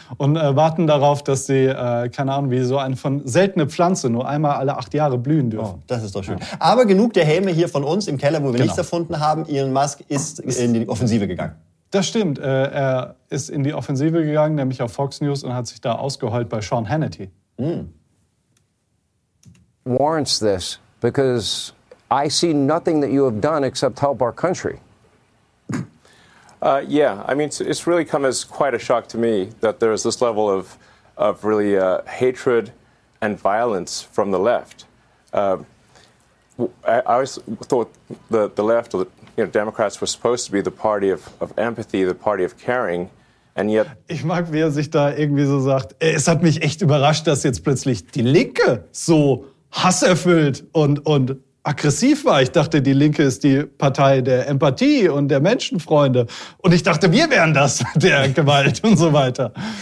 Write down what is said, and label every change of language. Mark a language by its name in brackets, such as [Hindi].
[German] Und warten darauf, dass sie, keine Ahnung, wie so eine von seltene Pflanze nur einmal alle 8 Jahre blühen dürfen. Oh, das ist doch schön. Ja. Aber genug der Helme hier von uns im Keller, wo wir nichts erfunden haben. Elon Musk ist in die Offensive gegangen. Das stimmt. Er ist in die Offensive gegangen, nämlich auf Fox News, und hat sich da ausgeheult bei Sean Hannity. Mm. [English] Warrants this, because I see nothing that you have done except help our country. Yeah, I mean, it's really come as quite a shock to me that there is this level of really hatred and violence from the left. I always thought the left, or the, you know, Democrats were supposed to be the party of empathy, the party of caring. And yet, [German] ich mag, wie er sich da irgendwie so sagt. Es hat mich echt überrascht, dass jetzt plötzlich die Linke so hasserfüllt und aggressiv war. Ich dachte, die Linke ist die Partei der Empathie und der Menschenfreunde. Und ich dachte, wir wären das, der Gewalt und so weiter.